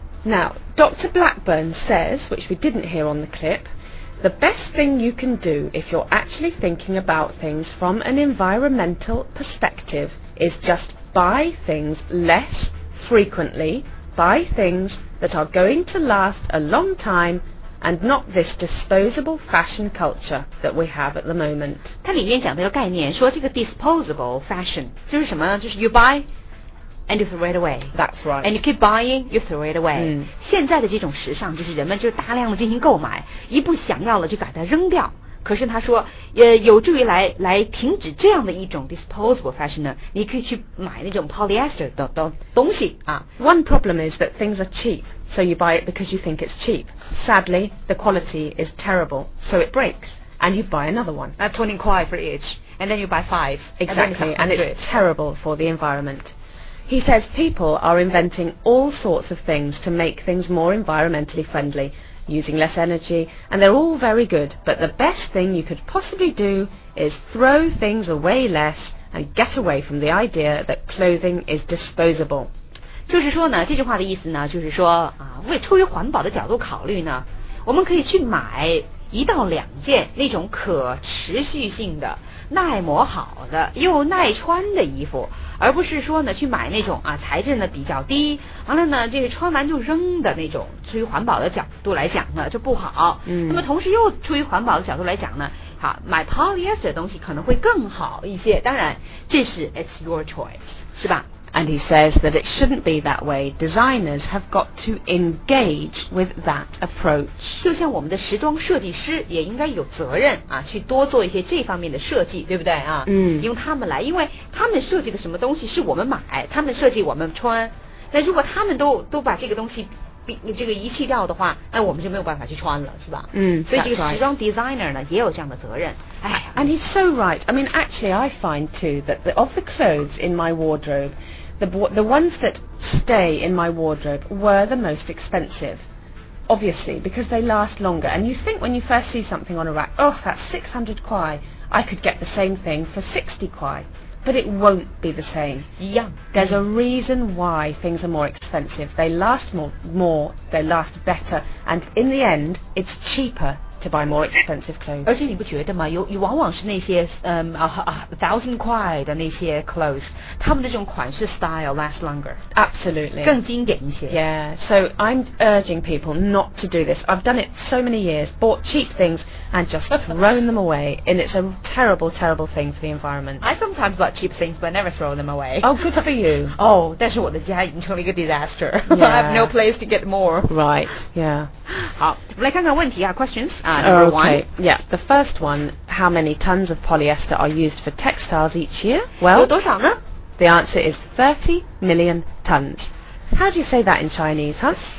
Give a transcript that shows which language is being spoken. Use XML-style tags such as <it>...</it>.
<en>Now, Dr. Blackburn says, which we didn't hear on the clip, the best thing you can do if you're actually thinking about things from an environmental perspective is just buy things less frequently. Buy things that are going to last a long time and not this disposable fashion culture that we have at the moment.</en> <zh>它里面讲的一个概念说这个 disposable fashion 就是什么呢就是</zh> <en>you buy and you throw it away. That's right. And you keep buying, you throw it away.</en> <zh>现在的这种时尚就是人们就大量的进行购买一不想要了就把它扔掉。可是他说有助于 来停止这样的一种 disposable fashion 呢你可以去买那种 polyester 的东西啊。</zh> <en>One problem is that things are cheap, so you buy it because you think it's cheap. Sadly, the quality is terrible, so it breaks, and you buy another one. That's 20 quid for each, and then you buy 5. Exactly, and it's terrible for the environment. He says people are inventing all sorts of things to make things more environmentally friendly,using less energy, and they're all very good, but the best thing you could possibly do is throw things away less and get away from the idea that clothing is disposable.</en> <zh>就是说呢，这句话的意思呢，就是说啊，为出于环保的角度考虑呢，我们可以去买一到两件那种可持续性的、耐磨好的又耐穿的衣服，而不是说呢去买那种啊材质呢比较低，完了呢就是穿完就扔的那种。出于环保的角度来讲呢，就不好。那么同时又出于环保的角度来讲呢，好买 polyester 的东西可能会更好一些。当然，这是</zh> <en>it's your choice，</en> <zh>是吧？ And he says that it shouldn't be that way. Designers have got to engage with that approach. 就像我们的时装设计师也应该有责任啊，去多做一些这方面的设计，对不对啊？用他们来，因为他们设计的什么东西是我们买，他们设计我们穿。那如果他们都把这个东西这个遗弃掉的话，那我们就没有办法去穿了，是吧？所以这个时装 designer 呢也有这样的责任。</zh> <en>And he's so right. I mean, actually, I find too that of the clothes in my wardrobe, the ones that stay in my wardrobe were the most expensive, obviously, because they last longer. And you think when you first see something on a rack, oh, that's 600 quai, I could get the same thing for 60 quai. But it won't be the same. Yeah. There's a reason why things are more expensive. They last more, they last better, and in the end, it's cheaper to to buy more expensive clothes.</en> <zh>而且你不觉得吗？有往往是那些1,000块的那些 clothes， 他们的这种款式</zh> <en>style last longer. Absolutely.</en> <zh>更经典一些。</zh> <en>Yeah. So I'm urging people not to do this. I've done it so many years. Bought cheap things and just thrown them away, and it's a terrible, terrible thing for the environment. I sometimes buy cheap things, but never throw them away. Oh, good for you.</en> <zh>Oh, 但是我的家已经成了一个 disaster.</zh> <en>Yeah. I have no place to get more. Right. Yeah.</en> <zh>好，我们来看看问题啊 ，questions 啊 ，number one.</zh> <en>Okay. Yeah, the first one. How many tons of polyester are used for textiles each year?</en> <zh>Well, 有多少呢</zh> <en>？The answer is 30 million tons. How do you say that in Chinese, huh?</en>